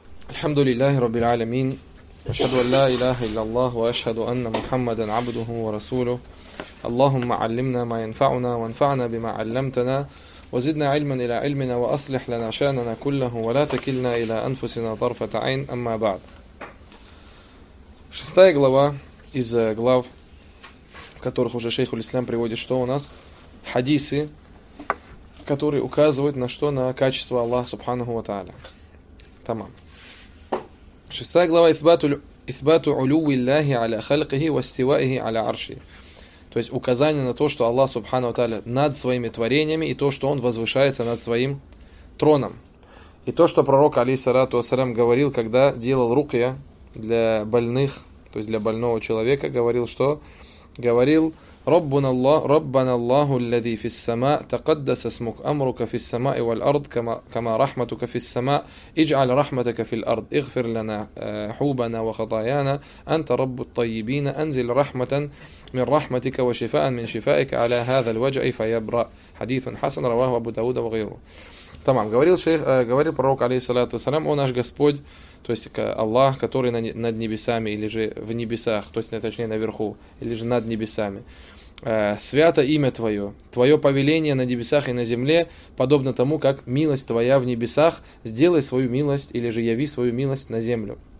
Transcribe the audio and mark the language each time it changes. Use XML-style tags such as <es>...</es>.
<ar>الحمد لله رب العالمين أشهد أن لا إله إلا الله وأشهد أن محمدا عبده ورسوله اللهم علمنا ما ينفعنا وانفعنا بما علمتنا وزدنا علما إلى علمنا وأصلح لنا شأننا كله ولا تكلنا إلى أنفسنا طرفة عين أما بعد.</ar> <ru>Шестая глава из глав, в которых уже шейх ул-Ислам приводит, что у нас хадисы, которые указывают на что? На качество Аллаха Субханаху ва Тааля. Тамам. Шестая глава</ru> <ar>«Ithbatu uluwi Allahi ala khalqihi wa istiwaihi ala arshi».</ar> <ru>То есть указание на то, что Аллах Субханаху ва Тааля над своими творениями и то, что Он возвышается над своим троном. И то, что пророк алейхиссалату вассалям говорил, когда делал руқья для больных, то есть для больного человека, говорил что? Говорил</ru> <ar>ربنا الله الذي في السماء تقدس اسمك أمرك في السماء والأرض كما رحمتك في السماء اجعل رحمتك في الأرض اغفر لنا حوبنا وخطايانا أنت رب الطيبين أنزل رحمة من رحمتك وشفاء من شفائك على هذا الوجع فيبرأ حديث حسن رواه أبو داود وغيره. تمام.</ar> <ru>говорил شيخ говорил пророк</ru> <ar>عليه الصلاة والسلام</ar> <ru>о наш Господь, то есть Аллах, который над небесами, или же в небесах, то есть, точнее, наверху, или же над небесами. «Свято имя Твое, Твое повеление на небесах и на земле, подобно тому, как милость Твоя в небесах, сделай свою милость, или же яви свою милость на землю.</ru>